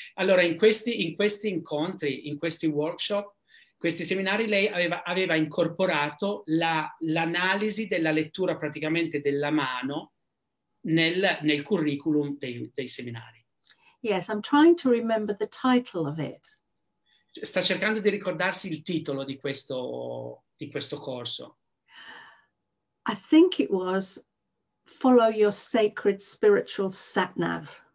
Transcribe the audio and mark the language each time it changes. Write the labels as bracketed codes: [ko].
[it] Allora, in questi incontri, in questi workshop, questi seminari, lei aveva incorporato l'analisi della lettura praticamente della mano nel curriculum dei seminari. [en] Yes, I'm trying to remember the title of it. [it] Sta cercando di ricordarsi il titolo di questo corso. [en] I think it was Follow Your Sacred Spiritual Satnav.